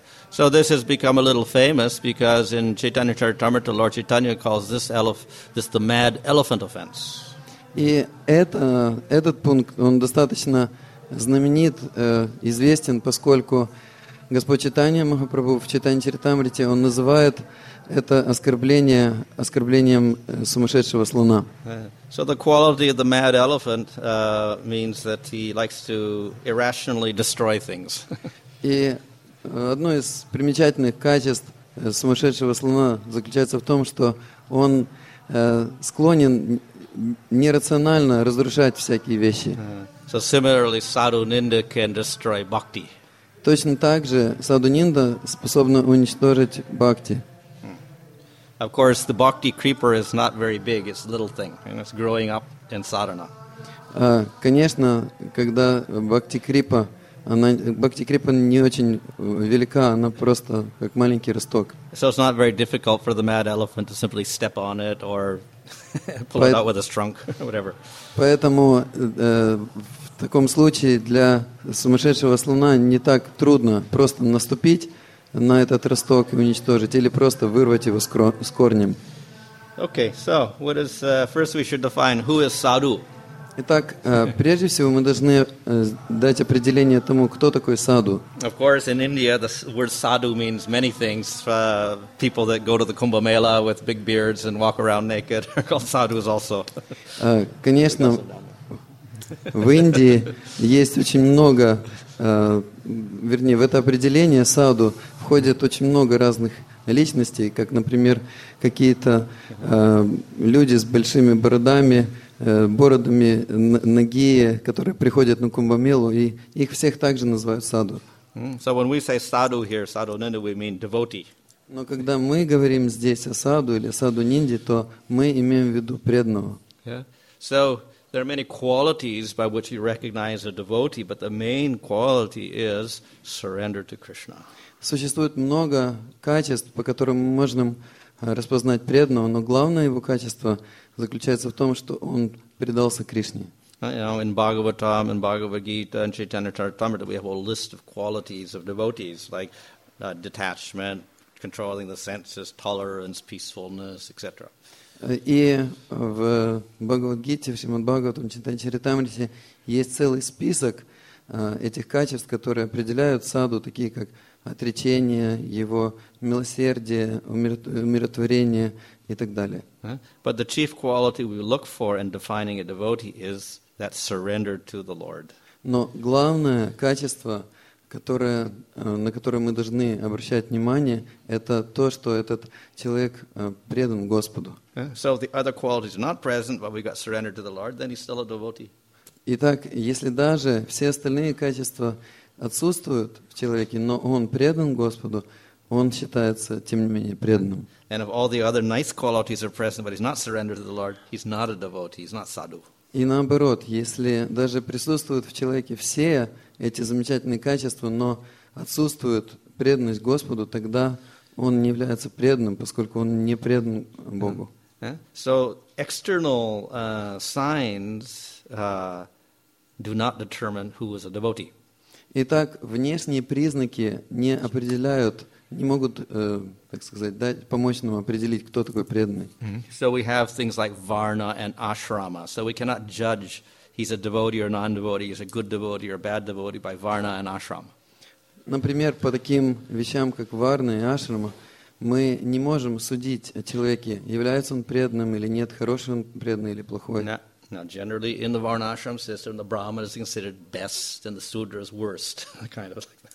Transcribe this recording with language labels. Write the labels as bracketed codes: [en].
[en] So this has become a little famous because in Chaitanya Charitamrita, Lord Chaitanya calls this the mad elephant offense. [ru] И этот пункт, он достаточно знаменит, известен, поскольку Господь Чайтанья Махапрабху в Чайтанья Чаритамрите, он называет это оскорблением сумасшедшего слона. [en] So the quality of the mad elephant means that he likes to irrationally destroy things. [ru] И одно из примечательных качеств сумасшедшего слона заключается в том, что он склонен нерационально разрушать всякие вещи. [en] So similarly, sadhu ninda can destroy bhakti. [ru] Точно так же sadhu ninda способна уничтожить бхакти. [en] Of course, the bhakti creeper is not very big. It's a little thing, and it's growing up in sadhana. [ru] Конечно, когда бхакти крипа не очень велика, она просто как маленький росток. [en] So it's not very difficult for the mad elephant to simply step on it or pull it out with a trunk, whatever. [ru] Поэтому в таком случае для сумасшедшего слона не так трудно просто наступить на этот росток и уничтожить, или просто вырвать его с корнем. [en] Okay, so what is first we should define who is sadhu? [ru] Итак, прежде всего мы должны дать определение тому, кто такой sadhu. [en] Of course, in India the word sadhu means many things. People that go to the Kumbh Mela with big beards and walk around naked are called sadhus also. [ru] Конечно, в Индии есть очень много, вернее, в это определение sadhu входит очень много разных личностей, как, например, какие-то люди с большими бородами, бородами ноги, которые приходят на Кумбамелу, и их всех также называют саду. [en] So when we say sadhu here, sadhu ninda, we mean devotee. [ru] Но когда мы говорим здесь о саду или саду нинди, то мы имеем в виду преданного. [en] Yeah. So there are many qualities by which you recognize a devotee, but the main quality is surrender to Krishna. [ru] Существует много качеств, по которым мы можем распознать преданного, но главное его качество заключается в том, что он предался Кришне. [en] In Bhagavatam, in Bhagavad Gita, in Chaitanya Charitamrita, we have a list of qualities of devotees, like detachment, controlling the senses, tolerance, peacefulness, etc. [ru] И в Бхагавад Гите, в Шримад Бхагаватам, Чайтанья Чаритамрите есть целый список этих качеств, которые определяют саду, такие как отречение, его милосердие, умиротворение и так далее. [en] But the chief quality we look for in defining a devotee is that surrender to the Lord. [ru] Но главное качество, которое, на которое мы должны обращать внимание, это то, что этот человек предан Господу. [en] So if the other qualities are not present, but we got surrendered to the Lord, then he's still a devotee. [ru] Итак, если даже все остальные качества отсутствуют в человеке, но он предан Господу, он считается, тем не менее, преданным. [en] And if all the other nice qualities are present, but he's not surrendered to the Lord, he's not a devotee, he's not sadhu. [ru] И наоборот, если даже присутствуют в человеке все эти замечательные качества, но отсутствует преданность Господу, тогда он не является преданным, поскольку он не предан Богу. [en] So external signs do not determine who is a devotee. [ru] Итак, внешние признаки не определяют, не могут, так сказать, дать, помочь нам определить, кто такой преданный. Mm-hmm. [en] So we have things like varna and ashrama. So we cannot judge he's a devotee or non-devotee, he's a good devotee or a bad devotee by varna and ashrama. [ru] Например, по таким вещам, как варна и ашрама, мы не можем судить о человеке, является он преданным или нет, хороший он преданный или плохой. [en] Now, generally, in the varna-ashram system, the brahmana is considered best and the sudra is worst, kind of like that.